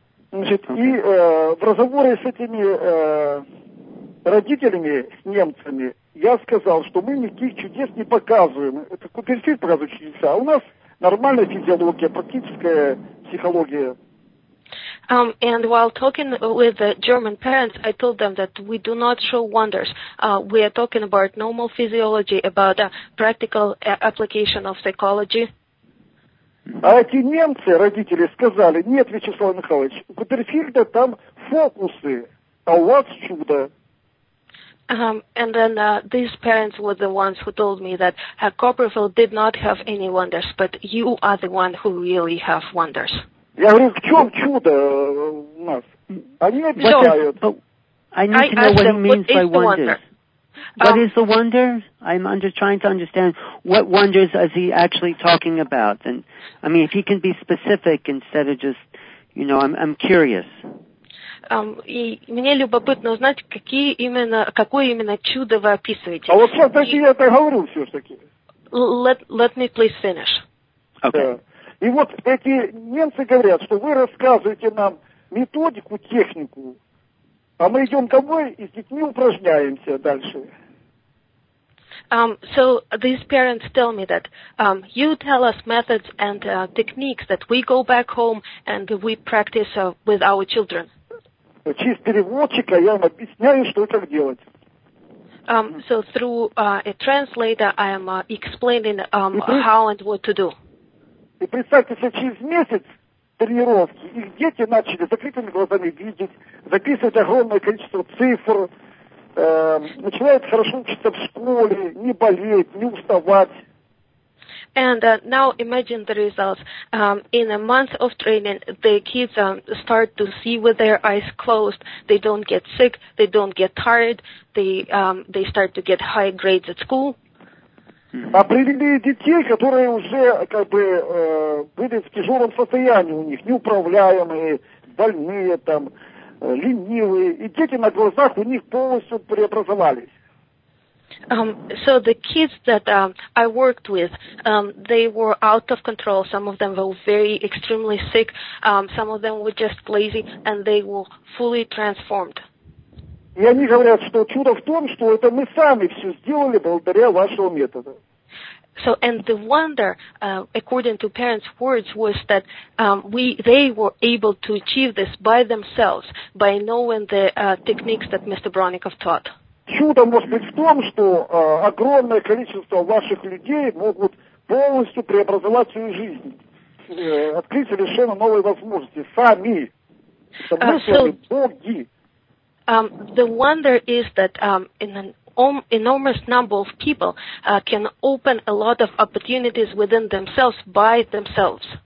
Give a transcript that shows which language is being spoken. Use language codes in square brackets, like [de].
[ru] Значит, и в разговоре с этими родителями, с немцами, я сказал, что мы никаких чудес не показываем. Это Купперфильд показывает чудеса, а у нас нормальная физиология, практическая психология. [en] And while talking with the German parents, I told them that we do not show wonders. We are talking about normal physiology, about a practical application of psychology. [ru] А эти немцы, родители, сказали, нет, Вячеслав Михайлович, у Купперфильда там фокусы, а у вас чудо. [en] And then these parents were the ones who told me that Copperfield did not have any wonders, but you are the one who really have wonders. [ru] Я говорю, в чем чудо у нас? Они объясняют. [en] I need to know what he means by wonders. What is the wonder? I'm trying to understand what wonders is he actually talking about. And I mean, if he can be specific instead of just, you know, I'm curious. [ru] И мне любопытно узнать, какое именно чудо вы описываете. А вот сейчас я это говорю все-таки. [en] Let me please finish. Okay. [ru] И вот эти немцы говорят, что вы рассказываете нам методику, технику, а мы идем домой и с детьми упражняемся дальше. [en] So these parents tell me that you tell us methods and techniques that we go back home and we practice with our children. [ru] Через переводчика я вам объясняю, что как делать. [en] So through a translator I am explaining how and what to do. [ru] И представьте, что через месяц тренировки их дети начали закрытыми глазами видеть, записывать огромное количество цифр, начинают хорошо учиться в школе, не болеть, не уставать. [en] And now imagine the results. In a month of training, the kids start to see with their eyes closed. They don't get sick. They don't get tired. They start to get high grades at school. [ru] А привели детей, которые уже как бы были в тяжелом состоянии у них, неуправляемые, больные, там, ленивые. И дети на глазах у них полностью преобразовались. [en] So the kids that I worked with, they were out of control. Some of them were very extremely sick. Some of them were just lazy, and they were fully transformed. [ru] И они говорят, что чудо в том, что это мы сами все сделали благодаря вашему методу. [en] So and the wonder, according to parents' words, was that they were able to achieve this by themselves by knowing the techniques that Mr. Bronikov taught. [ru] Чудо может быть в том, что огромное количество ваших людей могут полностью преобразовать свою жизнь, открыть совершенно новые возможности сами. Мы сами боги. [en] The wonder is that in an enormous number of people can open a lot of opportunities within themselves by themselves.